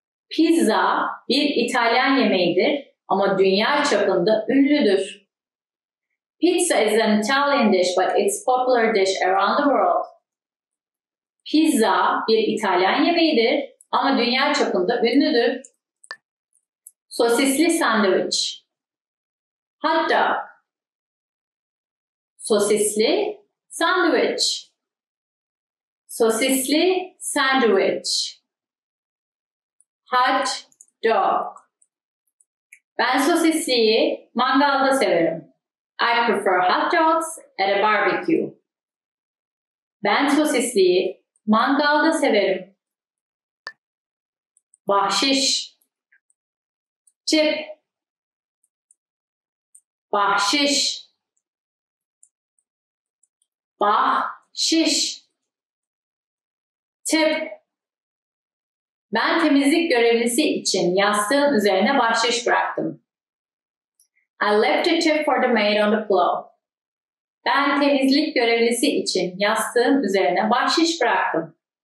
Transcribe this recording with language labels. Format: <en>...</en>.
<tr>Pizza bir İtalyan yemeğidir ama dünya çapında ünlüdür.</tr> <en>Pizza is an Italian dish, but it's a popular dish around the world.</en> <tr>Pizza bir İtalyan yemeğidir ama dünya çapında ünlüdür. Sosisli sandviç. Hot dog. Sosisli sandviç. Sosisli sandviç. Hot dog. Ben sosisliyi mangalda severim.</tr> <en>I prefer hot dogs at a barbecue.</en> <tr>Ben sosisliyi mangalda severim. Bahşiş. Chip. Bahşiş. Bahşiş. Tip. Ben temizlik görevlisi için yastığın üzerine bahşiş bıraktım.</tr> <en>I left a tip for the maid on the floor.</en> <tr>Ben temizlik görevlisi için yastığın üzerine bahşiş bıraktım.</tr>